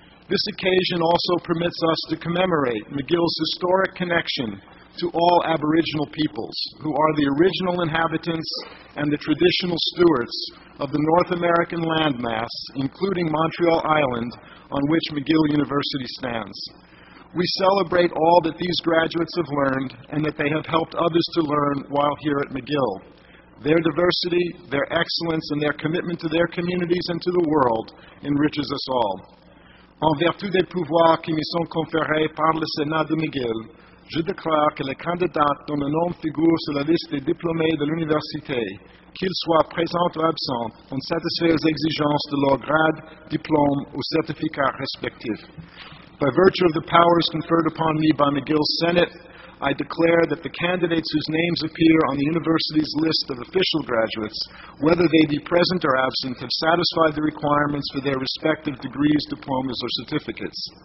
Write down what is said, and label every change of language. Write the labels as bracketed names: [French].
[English] This occasion also permits us to commemorate McGill's historic connection to all Aboriginal peoples, who are the original inhabitants and the traditional stewards of the North American landmass, including Montreal Island, on which McGill University stands. We celebrate all that these graduates have learned and that they have helped others to learn while here at McGill. Their diversity, their excellence, and their commitment to their communities and to the world enriches us all. [French] En vertu des pouvoirs qui me sont conférés par le Sénat de McGill, je déclare que les candidats dont le nom figure sur la liste des diplômés de l'université, qu'ils soient présents ou absents, ont satisfait aux exigences de leur grade, diplôme ou certificat respectif. [English] By virtue of the powers conferred upon me by McGill's Senate, I declare that the candidates whose names appear on the university's list of official graduates, whether they be present or absent, have satisfied the requirements for their respective degrees, diplomas, or certificates.